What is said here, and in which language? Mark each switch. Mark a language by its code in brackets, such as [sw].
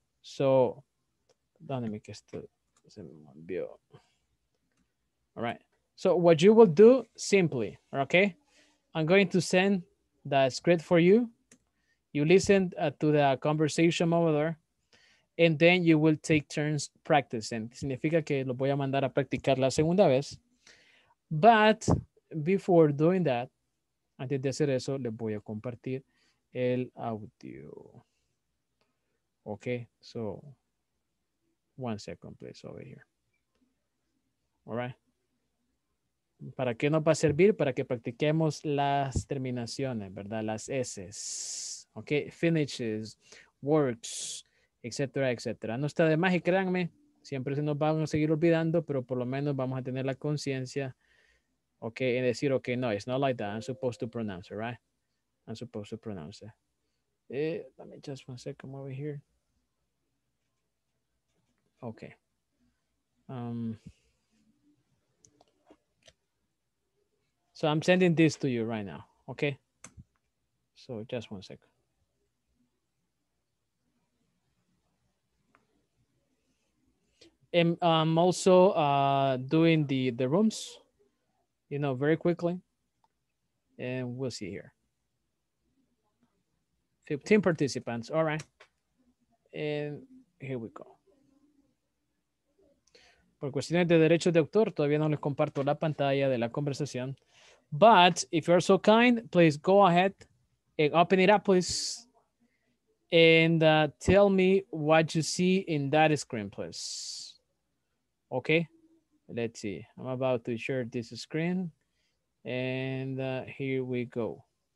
[es] So, dame que esto se me olvidó. [en] All right. So what you will do simply, okay? I'm going to send the script for you. You listen to the conversation over there, and then you will take turns practicing. [es] Significa que lo voy a mandar a practicar la segunda vez. [en] But before doing that, [es] antes de hacer eso, les voy a compartir el audio. [en] Okay, so one second, please, over here. All right. [es] ¿Para qué nos va a servir? Para que practiquemos las terminaciones, ¿verdad? Las S's. Okay, finishes, works, etcétera, etcétera. No está de más y créanme, siempre se nos van a seguir olvidando, pero por lo menos vamos a tener la conciencia. [en] Okay, and decir, okay, no, it's not like that. I'm supposed to pronounce it, right? I'm supposed to pronounce it. Let me just one second over here. Okay. So I'm sending this to you right now, okay? So just one second. am also doing the rooms, you know, very quickly. And we'll see here. 15 participants. All right. And here we go. [es] Por cuestiones de derechos de autor, todavía no les comparto la pantalla de la conversación. [en] But if you're so kind, please go ahead and open it up, please. And tell me what you see in that screen, please. Okay. Let's see. I'm about to share this screen. And here we go.